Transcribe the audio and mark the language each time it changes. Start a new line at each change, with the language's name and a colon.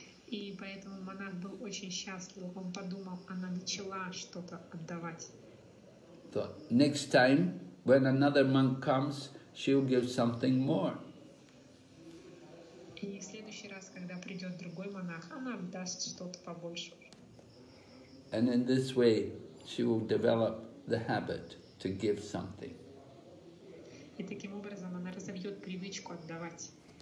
Russian: И поэтому монах был очень счастлив. Он подумал, она начала что-то отдавать.
English: So, next time, when another monk comes, she'll give something more.
Russian: И в следующий раз, когда придет другой монах, она даст что-то побольше.
English: And in this way, she will develop the habit to give something.
Russian: И таким образом она разовьет привычку отдавать.